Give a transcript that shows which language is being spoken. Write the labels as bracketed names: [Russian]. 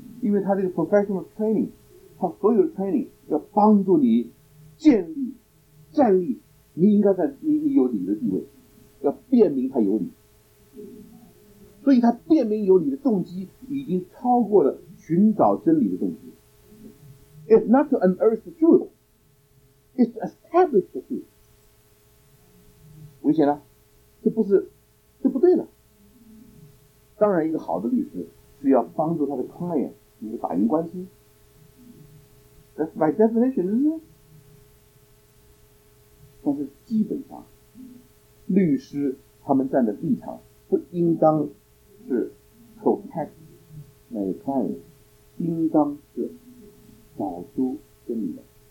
[Chinese] 因为他这个 professional training， 他所有的 training 要帮助你建立站立，你应该在 你有理的地位，要辨明他有理。所以他辨明有理的动机已经超过了寻找真理的动机。 [English] It's not to unearth the truth, it's to establish the truth. [Chinese] 危险了，这不是，这不对了。当然一个好的律师是要帮助他的 client 能够打赢官司。 [English] That's by definition, isn't it? [Chinese] 但是基本上律师他们站的立场不应当是 [English] protect my client， [Chinese] 应当是找出真理来。